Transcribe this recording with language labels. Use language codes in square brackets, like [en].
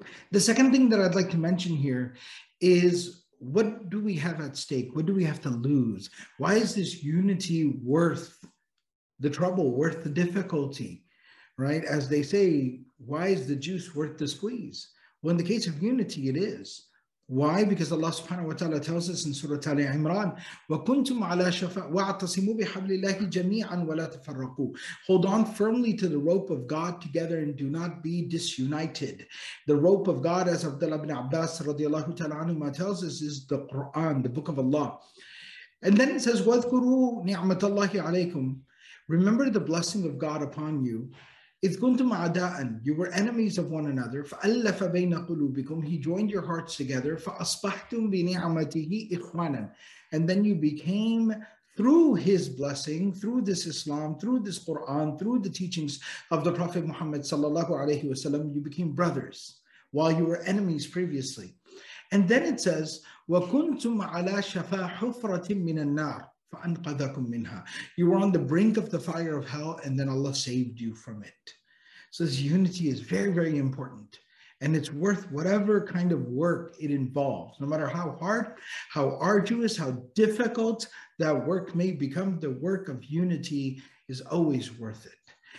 [en] The second thing that I'd like to mention here is, what do we have at stake? What do we have to lose? Why is this unity worth the trouble, worth the difficulty, right? As they say, why is the juice worth the squeeze? Well, in the case of unity, it is. Why? Because Allah subhanahu wa ta'ala tells us in Surah Ali Imran, [ar] وَكُنْتُمْ عَلَى شَفَاءٍ وَاعْتَصِمُوا بِحَبْلِ اللَّهِ جَمِيعًا وَلَا تَفَرَّقُوا. [en] Hold on firmly to the rope of God together and do not be disunited. The rope of God, as Abdullah ibn Abbas radiallahu ta'ala anhuma tells us, is the Quran, the book of Allah. And then it says, [ar] وَذْكُرُوا نِعْمَةَ اللَّهِ عَلَيْكُمْ. [en] Remember the blessing of God upon you. [ar] إِذْ كُنْتُمْ عَدَاءً, [en] you were enemies of one another, [ar] فَأَلَّفَ بَيْنَ قُلُوبِكُمْ, [en] he joined your hearts together, [ar] فَأَصْبَحْتُمْ بِنِعْمَتِهِ إِخْوَانًا, [en] and then you became, through his blessing, through this Islam, through this Quran, through the teachings of the Prophet Muhammad sallallahu alayhi wasallam, you became brothers, while you were enemies previously. And then it says, [ar] وَكُنْتُمْ عَلَى شَفَا حُفْرَةٍ مِنَ النَّارِ فَأَنْقَذَكُمْ مِنْهَا. [en] You were on the brink of the fire of hell and then Allah saved you from it. So this unity is very, very important. And it's worth whatever kind of work it involves, no matter how hard, how arduous, how difficult that work may become, the work of unity is always worth it.